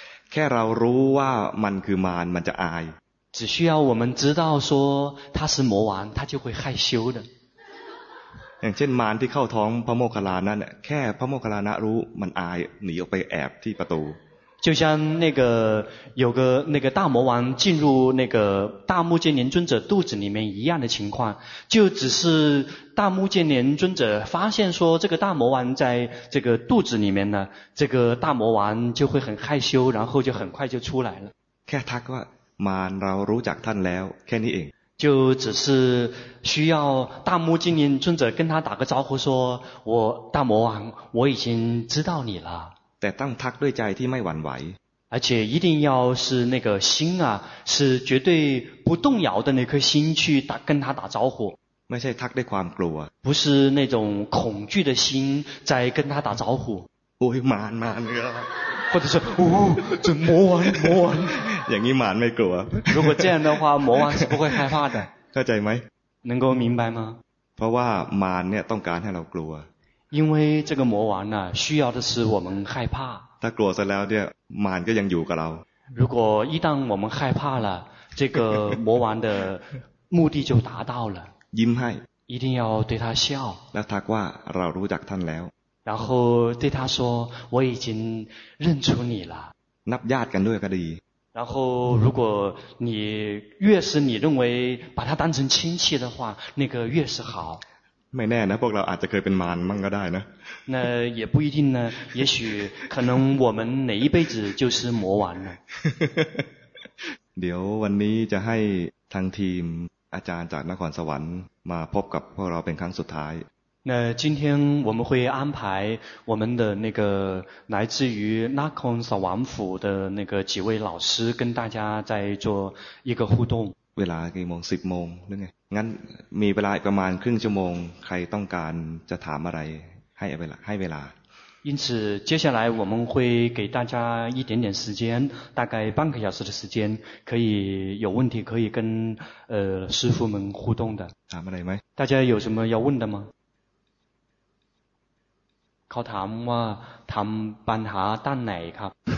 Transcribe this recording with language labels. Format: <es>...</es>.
<th>แค่เรารู้ว่ามันคือมารมันจะอาย。</th> <zh>只需要我们知道说他是魔王，他就会害羞的。</zh> <th>อย่างเช่นมารที่เข้าท้องพระโมคคัลลานะเนี่ยแค่พระโมคคัลลานะรู้มันอายหนีออกไปแอบที่ประตู</th> <zh>就像那个有个那个大魔王进入那个大目犍连尊者肚子里面一样的情况，就只是大目犍连尊者发现说这个大魔王在这个肚子里面呢，这个大魔王就会很害羞，然后就很快就出来了。</zh> <th>แค่ทักว่ามารเรารู้จักท่านแล้วแค่นี้เอง</th> <zh>就只是需要大目犍连尊者跟他打个招呼说我大魔王我已经知道你了</zh> <th>แต่ต้องทักด้วยใจที่ไม่หวั่นไหว</th> <zh>而且一定要是那个心啊是绝对不动摇的那颗心去打跟他打招呼</zh> <th>ไม่ใช่ทักด้วยความกลัว</th> <zh>不是那种恐惧的心在跟他打招呼</zh> <th>โอ้ยมารมารเนี่ย</th> <zh>或者是โอ้这魔王魔王</zh> <th>อย่างนี้มารไม่กลัว</th> <zh>如果这样的话魔王是不会害怕的</zh> <th>เข้าใจไหม</th> <zh>能够明白吗</zh> <th>เพราะว่ามารเนี่ยต้องการให้เรากลัว</th> <zh>因为这个魔王呢需要的是我们害怕</zh> <th>ถ้ากลัวเสร็จแล้วเนี่ยมารก็ยังอยู่กับเรา</th> <zh>如果一旦我们害怕了这个魔王的目的就达到了</zh> <th>ยิ้มให้</th> <zh>一定要对他笑</zh> <th>แล้วทักว่าเรารู้จักท่านแล้ว</th> <zh>然后对他说我已经认出你了</zh> <th>นับญาติกันด้วยก็ดี</th> <zh>然后如果你越是你认为把他当成亲戚的话那个越是好</zh> <th>ไม่แน่นะพวกเราอาจจะเคยเป็นมารมั่งก็ได้นะ</th> <zh>那也不一定呢也许可能我们哪一辈子就是魔王了</zh> <th>เดี๋ยววันนี้จะให้ทางทีมอาจารย์จากนครสวรรค์มาพบกับพวกเราเป็นครั้งสุดท้าย</th> <zh>那今天我们会安排我们的那个来自于纳空扫王府的那个几位老师跟大家在做一个互动。</zh> <th>เวลากี่โมง10โมงหรือไงงั้นมีเวลาประมาณครึ่งชั่วโมงใครต้องการจะถามอะไรให้เวลาให้เวลา</th> <zh>因此接下来我们会给大家一点点时间大概半个小时的时间可以有问题可以跟师父们互动的。</zh> <th>ถามอะไรมั้ย</th> <zh>大家有什么要问的吗</zh> <th>เขาถามว่าทำปัญหาด้านไหนครับ</th>